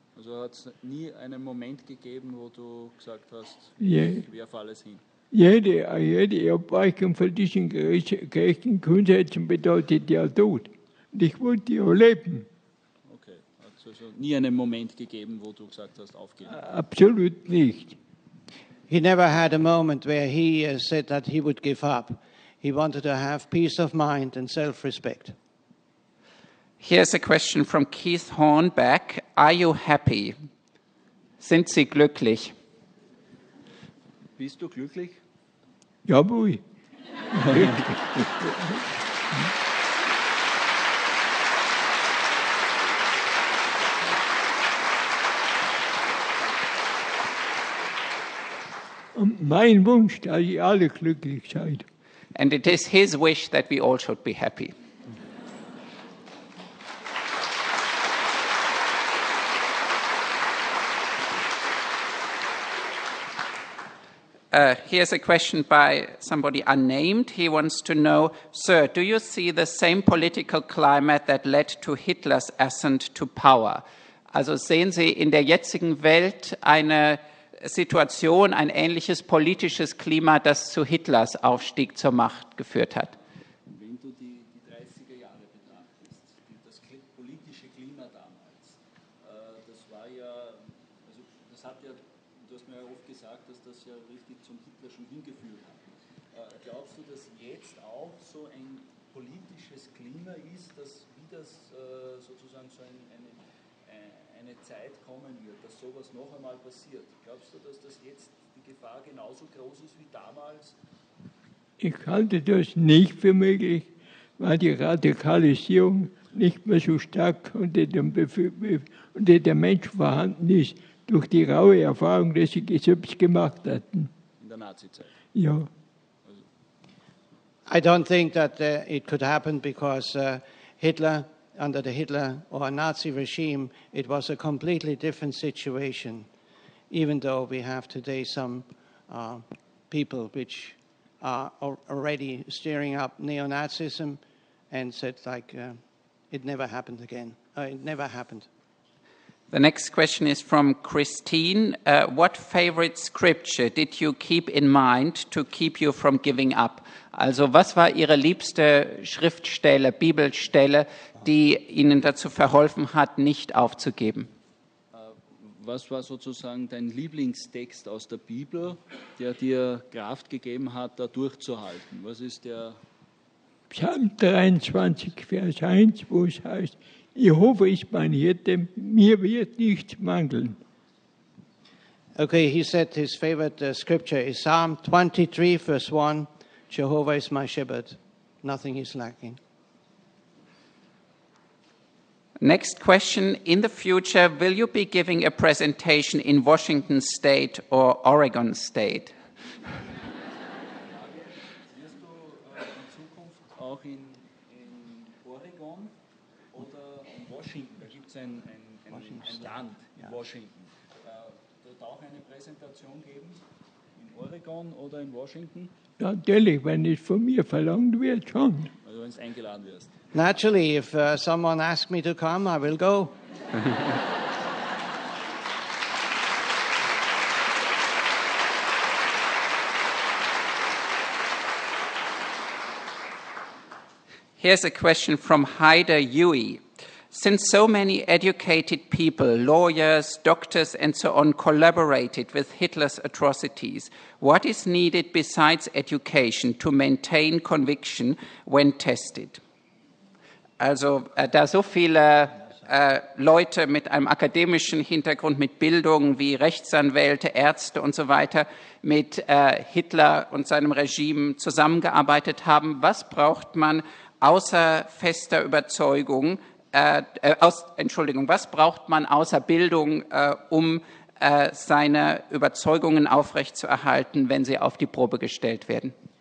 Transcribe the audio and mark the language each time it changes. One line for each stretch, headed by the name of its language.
German: Also hat es nie einen Moment gegeben, wo du gesagt hast, ich werfe alles hin? Jede Abweichung von diesen gerechten Grundsätzen bedeutet ja Tod und ich wollte ja leben. Also nie einen Moment gegeben, wo du gesagt hast, aufgeben. Absolut nicht.
English: He never had a moment where he said that he would give up. He wanted to have peace of mind and self-respect. Here's a question from Keith Hornback. Are you happy?
German: Sind Sie glücklich? Bist du glücklich? Jawohl. Mein Wunsch, dass ihr alle glücklich seid.
English: And it is his wish that we all should be happy. Here's a question by somebody unnamed. He wants to know, sir, do you see the same political climate that led to Hitler's ascent to power?
German: Also sehen Sie in der jetzigen Welt eine Situation, ein ähnliches politisches Klima, das zu Hitlers Aufstieg zur Macht geführt hat? Wenn du die 30er Jahre betrachtest, das politische Klima damals, das war ja, also das hat ja, du hast mir ja oft gesagt, dass das ja richtig zum Hitler schon hingeführt hat. Glaubst du, dass jetzt auch so ein politisches Klima ist, dass wie das sozusagen so eine Zeit kommen wird, dass sowas noch einmal passiert? Glaubst du, dass das jetzt die Gefahr genauso groß ist wie damals? Ich halte das nicht für möglich, weil die Radikalisierung nicht mehr so stark unter dem Menschen vorhanden ist, durch die raue Erfahrung, die sie selbst gemacht hatten. In der Nazizeit? Ja. Also.
English: I don't think that it could happen because Hitler... Under the Hitler or Nazi regime, it was a completely different situation, even though we have today some people which are already stirring up neo-Nazism and said, like, it never happened again. It never happened. The next question is from Christine. What favorite scripture did you keep in mind to keep you from giving up?
German: Also, was war Ihre liebste Schriftstelle, Bibelstelle, die Ihnen dazu verholfen hat, nicht aufzugeben? Was war sozusagen dein Lieblingstext aus der Bibel, der dir Kraft gegeben hat, da durchzuhalten? Was ist der? Psalm 23, Vers 1, wo es heißt, Jehovah ist mein Hirte, mir wird nichts mangeln.
English: Okay, he said his favorite scripture is Psalm 23, verse 1. Jehovah is my shepherd, nothing is lacking. Next question, in the future, will you be giving a presentation in Washington State or Oregon State?
German: Wirst du in Zukunft auch in Oregon oder in Washington, da gibt es ein Land in Washington, dort auch eine Präsentation geben, in Oregon oder in Washington? Natürlich, wenn es von mir verlangt wird, schon. Also wenn es eingeladen wirst.
English: Naturally, if someone asks me to come, I will go. Here's a question from Haida Yui. Since so many educated people, lawyers, doctors, and so on, collaborated with Hitler's atrocities, what is needed besides education to maintain conviction when tested?
German: Also, da so viele Leute mit einem akademischen Hintergrund, mit Bildung wie Rechtsanwälte, Ärzte und so weiter, mit Hitler und seinem Regime zusammengearbeitet haben, was braucht man außer fester Überzeugung, was braucht man außer Bildung, seine Überzeugungen aufrechtzuerhalten, wenn sie auf die Probe gestellt werden?